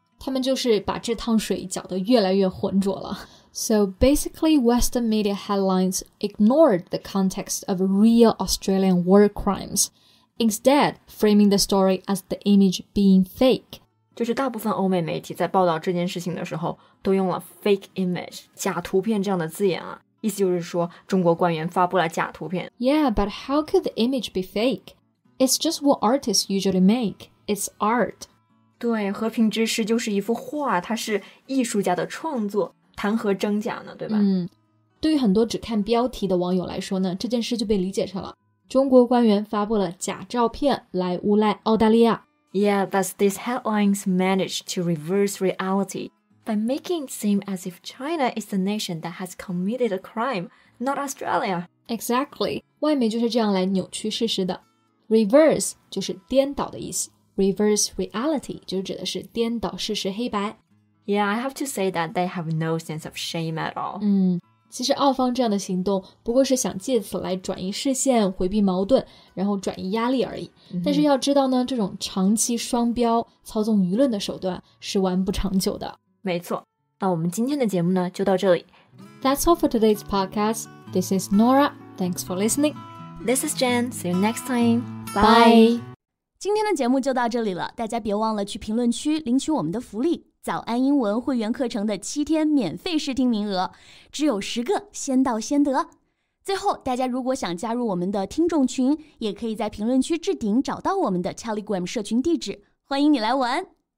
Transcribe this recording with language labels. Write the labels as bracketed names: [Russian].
[Chinese] 他们就是把这趟水搅得越来越浑浊了 [English] So basically Western media headlines ignored the context of real Australian war crimesInstead, framing the story as the image being fake. [Chinese] 就是大部分欧美媒体在报道这件事情的时候都用了 fake image, 假图片这样的字眼啊。意思就是说中国官员发布了假图片。 [English] Yeah, but how could the image be fake? It's just what artists usually make. It's art. [Chinese] 对,和平之诗就是一幅画,它是艺术家的创作,谈何真假呢,对吧? 嗯,对于很多只看标题的网友来说呢,这件事就被理解成了。中国官员发布了假照片来诬赖澳大利亚。 [English] Yeah, thus these headlines managed to reverse reality by making it seem as if China is the nation that has committed a crime, not Australia. Exactly. [Chinese] 外媒就是这样来扭曲事实的。 Reverse 就是颠倒的意思。Reverse reality 就指的是颠倒事实黑白。 [English] Yeah, I have to say that they have no sense of shame at all. 嗯。 [Chinese] 其实澳方这样的行动不过是想借此来转移视线回避矛盾然后转移压力而已、嗯、但是要知道呢这种长期双标操纵舆论的手段是玩不长久的没错那我们今天的节目呢就到这里 [English] That's all for today's podcast This is Nora Thanks for listening This is Jen See you next time Bye [Chinese] 今天的节目就到这里了大家别忘了去评论区领取我们的福利早安英文会员课程的7天免费试听名额，只有10个，先到先得。最后，大家如果想加入我们的听众群，也可以在评论区置顶找到我们的 Telegram 社群地址，欢迎你来玩。